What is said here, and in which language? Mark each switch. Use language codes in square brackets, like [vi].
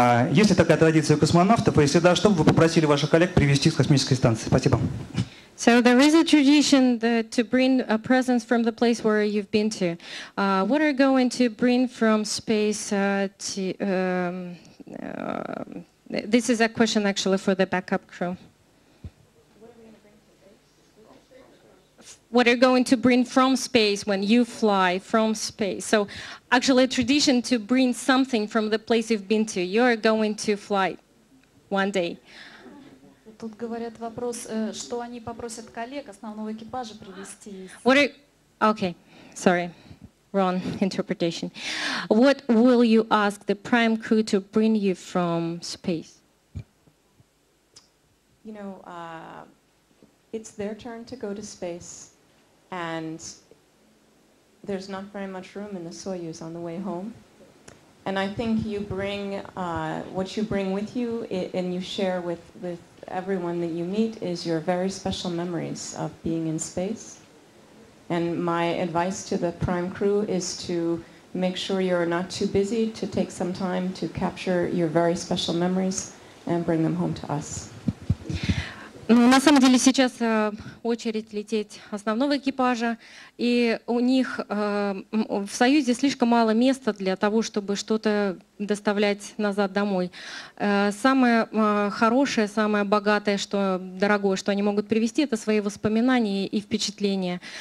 [ru] Есть ли такая традиция у космонавтов? Если да, что бы вы попросили ваших коллег привезти с космической станции? Спасибо. [en] So there is a tradition that to bring a present from the place where you've been to. What are you going to bring from space to... This is a question actually for the backup crew. What are you going to bring from space when you fly from space? So actually a tradition to bring something from the place you've been to. You're going to fly one day. [ru] Тут говорят вопрос, что они попросят коллег основного экипажа привезти. [en] Okay, sorry. Wrong interpretation. What will you ask the prime crew to bring you from space? You know, it's their turn to go to space, and there's not very much room in the Soyuz on the way home. And I think you bring what you bring with you and you share with everyone that you meet is your very special memories of being in space. And my advice to the prime crew is to make sure you're not too busy to take some time to capture your very special memories and bring them home to us. [ru] Ну, на самом деле сейчас очередь лететь основного экипажа, и у них в Союзе слишком мало места для того, чтобы что-то доставлять назад домой. Самое хорошее, самое богатое, что дорогое, что они могут привезти, это свои воспоминания и впечатления.